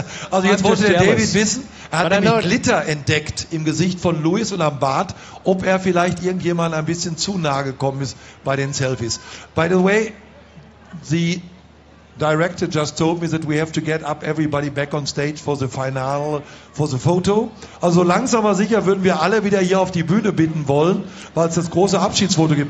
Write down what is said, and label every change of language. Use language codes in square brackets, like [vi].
[de] Also jetzt wollte der David wissen, er hat nämlich Glitter entdeckt im Gesicht von Louis und am Bart, ob er vielleicht irgendjemand ein bisschen zu nah gekommen ist bei den Selfies. [en] By the way, the director just told me that we have to get up everybody back on stage for the final, for the photo. [de] Also langsam aber sicher würden wir alle wieder hier auf die Bühne bitten wollen, weil es das große Abschiedsfoto gibt.